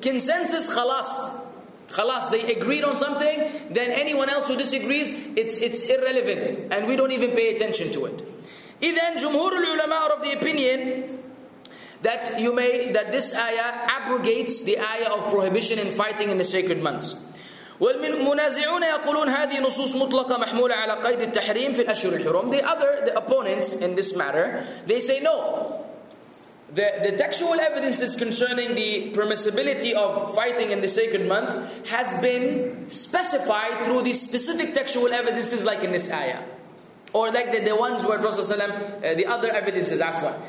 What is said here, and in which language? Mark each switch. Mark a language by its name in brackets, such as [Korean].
[English] Consensus, khalas. Khalas, they agreed on something, then anyone else who disagrees, it's irrelevant. And we don't even pay attention to it. [Arabic] إذن جمهور العلماء [English] are of the opinion that this ayah abrogates the ayah of prohibition in fighting in the sacred months. [Arabic] والمنازعون يقولون هذه نصوص مطلقة محمولة على قيد التحريم في الأشهر الحرم. [English] The opponents in this matter, they say no. The textual evidences concerning the permissibility of fighting in the sacred month has been specified through these specific textual evidences like in this ayah. or like the ones where Prophet ﷺ, the other evidences, afwan.